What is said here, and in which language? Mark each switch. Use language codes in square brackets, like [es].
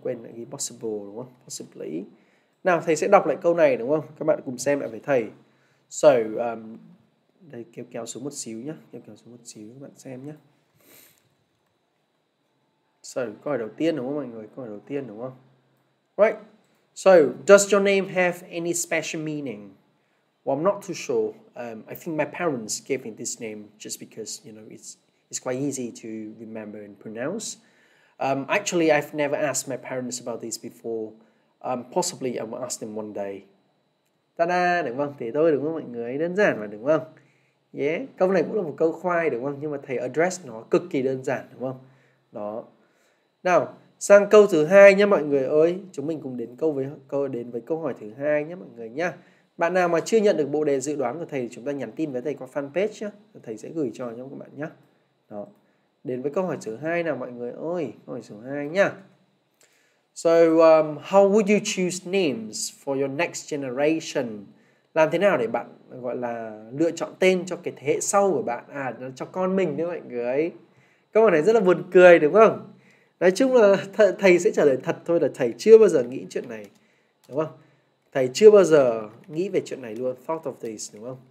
[vi] Quên lại ghi possible, đúng không? Possibly. Nào, thầy sẽ đọc lại câu này, đúng không? Các bạn cùng xem lại với thầy. So, đây, kéo xuống một xíu nhé. Kéo xuống một xíu, các bạn xem nhé. So, câu hỏi đầu tiên, đúng không mọi người? Câu hỏi đầu tiên, đúng không? [en] Right. So, does your name have any special meaning? Well, I'm not too sure. I think my parents gave me this name just because, you know, it's quite easy to remember and pronounce. Actually, I've never asked my parents about this before. Possibly, I will ask them one day. Ta-da! [vi] Đúng không? Thế thôi, đúng không mọi người? Đơn giản mà, đúng không? Yeah. Câu này cũng là một câu khoai, đúng không? Nhưng mà thầy address nó cực kỳ đơn giản, đúng không? Đó. Nào, sang câu thứ hai nhé mọi người ơi. Chúng mình cùng đến với câu hỏi thứ hai nhé mọi người nhé. Bạn nào mà chưa nhận được bộ đề dự đoán của thầy thì chúng ta nhắn tin với thầy qua fanpage nhé. Thầy sẽ gửi cho các bạn nhé. Đó. Đến với câu hỏi thứ hai nào mọi người ơi. Câu hỏi thứ hai nhé. [en] So, how would you choose names for your next generation? [vi] Làm thế nào để bạn gọi là lựa chọn tên cho cái thế hệ sau của bạn? À, cho con mình đấy mọi người. Câu hỏi này rất là buồn cười đúng không? Nói chung là thầy sẽ trả lời thật thôi, là thầy chưa bao giờ nghĩ chuyện này, đúng không? Thầy chưa bao giờ nghĩ về chuyện này luôn, [en] thought of this, [vi] đúng không?